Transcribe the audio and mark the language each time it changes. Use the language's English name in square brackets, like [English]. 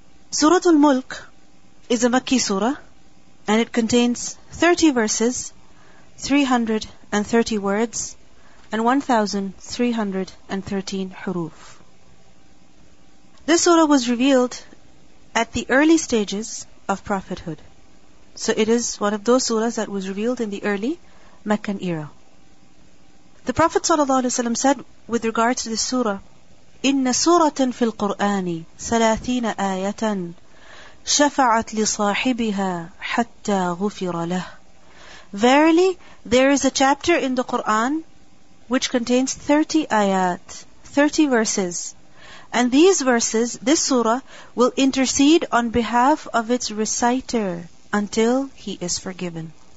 [English] سورة الملك is a Makki surah and it contains 30 verses, 330 words and 1313 حروف. This surah was revealed at the early stages of prophethood. So it is one of those surahs that was revealed in the early Meccan era. The Prophet ﷺ said with regards to this surah, [Arabic] إِنَّ سُورَةً فِي الْقُرْآنِ 30 آيَةً شَفَعَتْ لِصَاحِبِهَا حَتَّى غُفِرَ لَهُ. [English] Verily, there is a chapter in the Qur'an which contains 30 ayat, 30 verses. And these verses, this surah, will intercede on behalf of its reciter until he is forgiven.